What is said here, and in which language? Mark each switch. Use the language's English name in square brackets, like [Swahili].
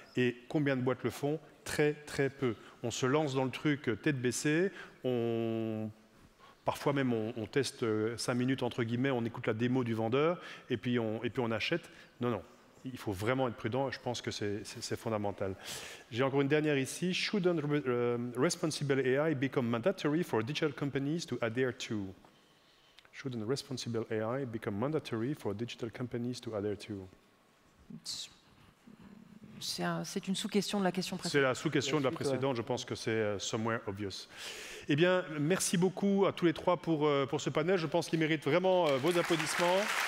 [French] Et combien de boîtes le font ? Très, très peu. On se lance dans le truc tête baissée, parfois même, on teste 5 minutes, entre guillemets, on écoute la démo du vendeur, et puis on achète. Non, non, il faut vraiment être prudent, je pense que c'est fondamental. J'ai encore une dernière ici. [English] « Shouldn't responsible AI become mandatory for digital companies to adhere to ?»« Shouldn't responsible AI become mandatory for digital companies to adhere to ?» [French] C'est une sous-question de la question précédente. C'est la sous-question de la précédente, je pense que c'est [English] somewhere obvious. [French] Eh bien, merci beaucoup à tous les trois pour ce panel. Je pense qu'il mérite vraiment vos applaudissements.